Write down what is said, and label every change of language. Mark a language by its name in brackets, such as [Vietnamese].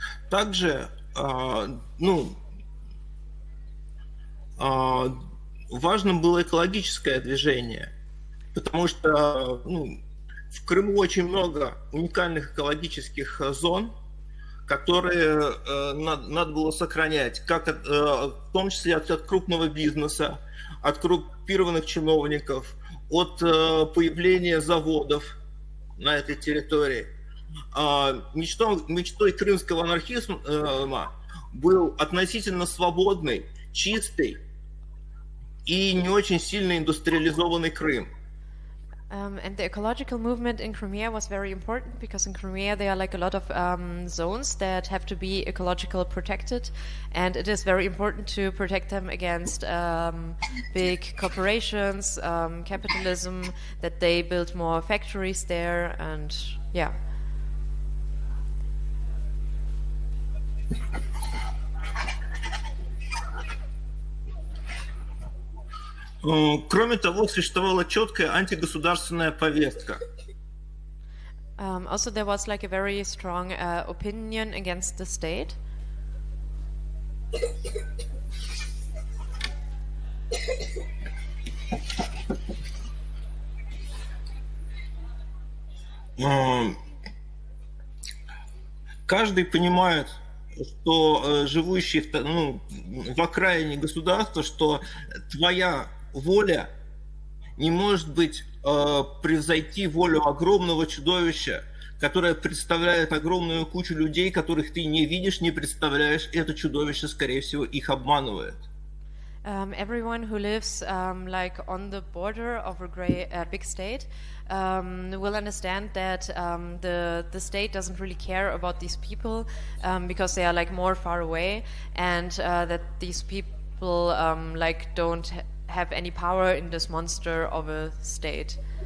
[Russian] Также, ну, важным было экологическое движение, потому что, ну, в Крыму очень много уникальных экологических зон, которые надо было сохранять, как в том числе от крупного бизнеса, от коррумпированных чиновников, от появления заводов на этой территории. Мечтой крымского анархизма был относительно свободный, чистый и не очень сильно индустриализованный Крым. [English] And the ecological movement in Crimea was very important because in Crimea there are like a lot of zones that have to be ecologically protected, and it is very important to protect them against big corporations, capitalism, that they build more factories there, and yeah. [Russian] Кроме того, существовала четкая антигосударственная повестка. [English] Also, there was like a very strong opinion against the state. [Russian] Каждый понимает, что живущий в, ну, в окраине государства, что твоя воля не может быть превзойти волю огромного чудовища, которое представляет огромную кучу людей, которых ты не видишь, не представляешь, и это чудовище, скорее всего, их обманывает. [English] Everyone who lives like on the border of a great big state will understand that the state doesn't really care about these people because they are like more far away, and that these people like don't have any power in this monster of a state.